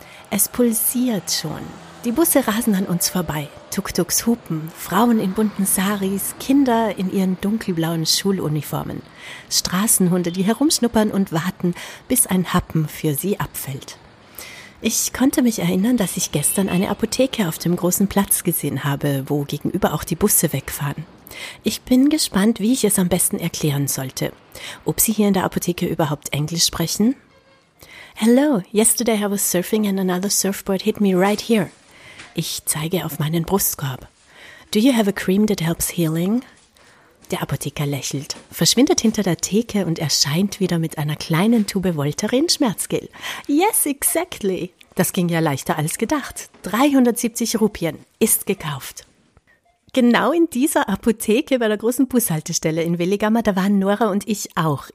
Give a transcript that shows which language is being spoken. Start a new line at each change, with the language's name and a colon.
German: Es pulsiert schon. Die Busse rasen an uns vorbei, Tuk-Tuks hupen, Frauen in bunten Saris, Kinder in ihren dunkelblauen Schuluniformen, Straßenhunde, die herumschnuppern und warten, bis ein Happen für sie abfällt. Ich konnte mich erinnern, dass ich gestern eine Apotheke auf dem großen Platz gesehen habe, wo gegenüber auch die Busse wegfahren. Ich bin gespannt, wie ich es am besten erklären sollte. Ob sie hier in der Apotheke überhaupt Englisch sprechen?
English: Hello, yesterday I was surfing and another surfboard hit me right here.
German: Ich zeige auf meinen Brustkorb.
English: Do you have a cream that helps healing?
German: Der Apotheker lächelt, verschwindet hinter der Theke und erscheint wieder mit einer kleinen Tube Voltaren-Schmerzgel.
English: Yes, exactly.
German: Das ging ja leichter als gedacht. 370 Rupien. Ist gekauft. Genau in dieser Apotheke bei der großen Bushaltestelle in Veligama, da waren Nora und ich auch.